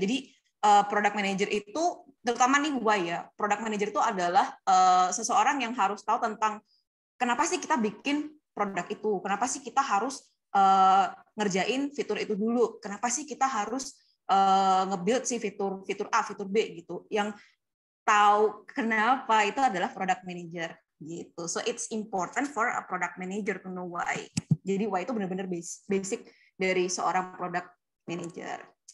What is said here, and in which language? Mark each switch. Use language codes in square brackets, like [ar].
[id] Jadi product manager itu, terutama nih why ya, product manager itu adalah seseorang yang harus tahu tentang kenapa sih kita bikin produk itu, kenapa sih kita harus ngerjain fitur itu dulu, kenapa sih kita harus nge-build sih fitur A, fitur B gitu. Yang tahu kenapa itu adalah product manager gitu. [en] So it's important for a product manager to know why. [id] Jadi why itu benar-benar basic dari seorang product manager.